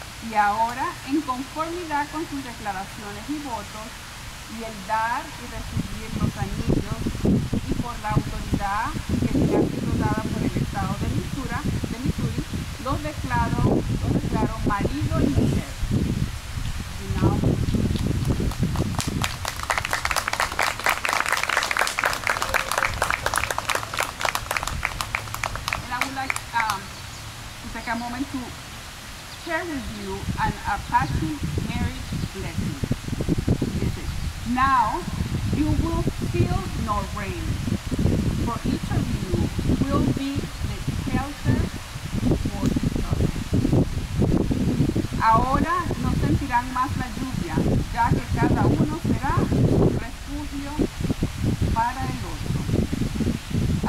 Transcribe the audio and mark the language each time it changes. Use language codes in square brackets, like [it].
[es] Y ahora, en conformidad con sus declaraciones y votos, y el dar y recibir los anillos, y por la autoridad que me ha sido dada por el Estado de Missouri, los declaro marido y mujer. [en] Y now, and I would like to take a moment to share with you an Apache marriage blessing. This is, now you will feel no rain, for each of you will be the shelter for each other. [es] Ahora no sentirán más la lluvia, ya que cada uno será un refugio para el otro.